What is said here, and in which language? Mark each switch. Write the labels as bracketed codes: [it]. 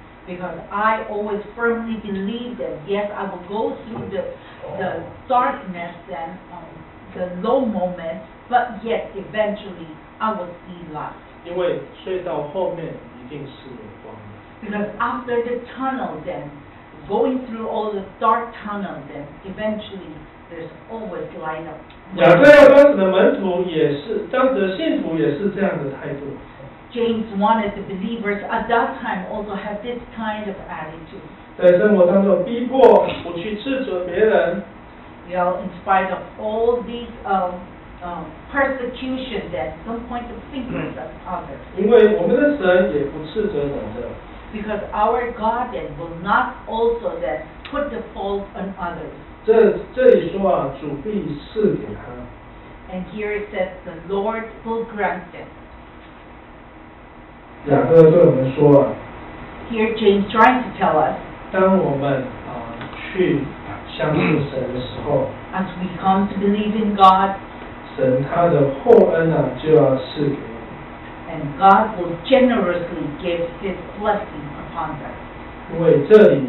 [en] Because I always firmly believe that yes, I will go through the darkness and the low moment, but yet eventually I will see light. [zh] 因为隧道后面一定是有光的。 [en] Because after the tunnel, then going through all the dark tunnel, then eventually there's always light up. [zh] 雅各的门徒也是，当时的信徒也是这样的态度。 [en] James wanted the believers at that time also have this kind of attitude. [zh] 在生活当中逼迫不去斥责别人。 [en] You know, in spite of all these persecution that some point of fingers at others. [zh] 因为我们的神也不斥责人的。 [en] Because our God then will not also that put the fault on others. [zh] 这里说啊，主必赐给他。 [en] And here it says the Lord will grant them. [zh] 雅各对我们说啊, [en] Here James trying to tell us, [zh] 当我们去相信神的时候, [en] As we come to believe in God, [zh] 神他的厚恩啊, 就要赐给我们, [en] And God will generously give His blessing upon us.